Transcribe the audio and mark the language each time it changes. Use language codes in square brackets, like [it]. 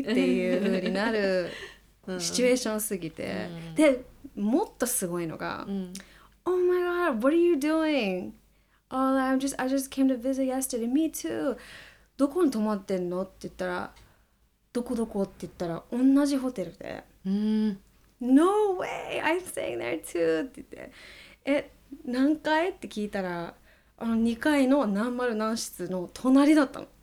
[ja] っていう風になるシチュエーションすぎて、うん、でもっとすごいのが、うん、 [en] Oh my god, what are you doing? Oh, I just came to visit yesterday. Me too. [ja] どこに泊まってんのって言ったら、どこどこって言ったら、同じホテルで、うん、 No way, I'm staying there too って言って、え、何階って聞いたら、あの2階の何丸何室の隣だったの。